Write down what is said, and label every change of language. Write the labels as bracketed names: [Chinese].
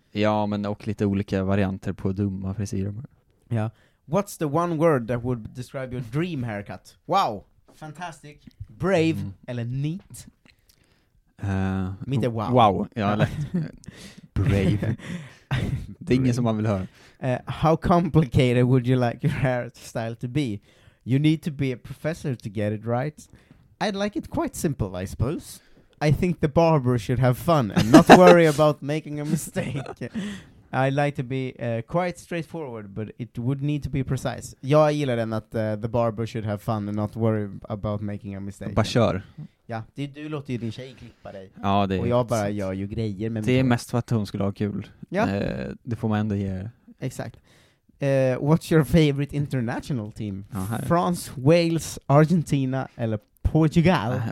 [Swedish] Ja, men och lite olika varianter på dumma frisyrer. Ja. [English] What's the one word that would describe your dream haircut? Wow, fantastic, brave eller neat? [Swedish] Mitt är [English] wow. Wow, ja. Brave. [Swedish] Det är ingen som man vill höra. [English] How complicated would you like your hairstyle to be? You need to be a professor to get it right. I'd like it quite simple, I suppose. I think the barber should have fun and not worry about making a mistake. I'd like to be quite straightforward, but it would need to be precise. [Swedish] Jag gillar den att [English] the barber should have fun and not worry about making a mistake. [Swedish] Bara kör. Ja, du låter ju din tjej klippa dig. Ja, det är. Och jag bara gör ju grejer. Med det är mest för att hon skulle ha kul. Ja. Det får man ändå ge. [English] Exakt. What's your favorite international team? [Swedish] France, Wales, Argentina eller Portugal?